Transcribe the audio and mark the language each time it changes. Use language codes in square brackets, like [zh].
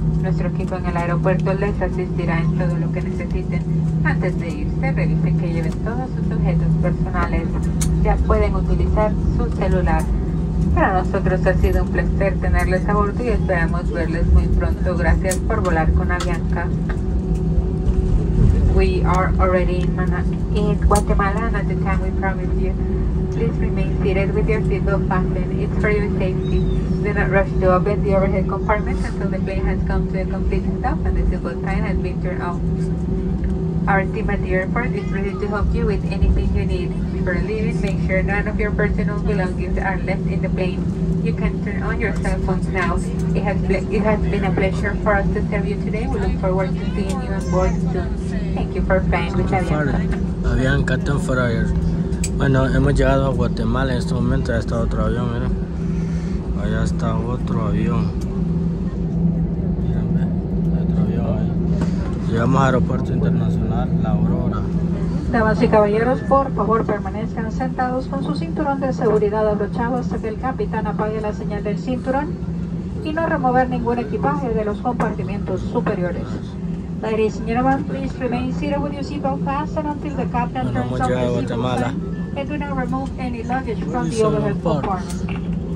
[es] Nuestro equipo en el aeropuerto les asistirá en todo lo que necesiten. Antes de irse, revisen que lleven todos sus objetos personales. Ya pueden utilizar su celular. Para nosotros ha sido un placer tenerles a bordo y esperamos verles muy pronto. Gracias por volar con Avianca. [en] We are already in Guatemala, and at the time we promised you. Please remain seated with your seatbelt fastened. It's for your safety. Do not rush to open the overhead compartment until the plane has come to a complete stop and the seatbelt sign has been turned off. Our team at the airport is ready to help you with anything you need. Before leaving, make sure none of your personal belongings are left in the plane. You can turn on your cell phones now. It has been a pleasure for us to serve you today. We look forward to seeing you on board soon. Thank you for flying with Avianca. Avianca, turn for air. [es] Bueno, hemos llegado a Guatemala en este momento. Ahí está otro avión, mira. Allá está otro avión. Mírenme, hay otro avión ahí. Llegamos al Aeropuerto Internacional La Aurora. Damas y caballeros, por favor permanezcan sentados con su cinturón de seguridad abrochado hasta que el capitán apague la señal del cinturón y no remover ningún equipaje de los compartimentos superiores. [en] Ladies and gentlemen, please remain seated with your seatbelt fastened until the captain turns off the seatbelt sign. And do not remove any luggage from the overhead compartment.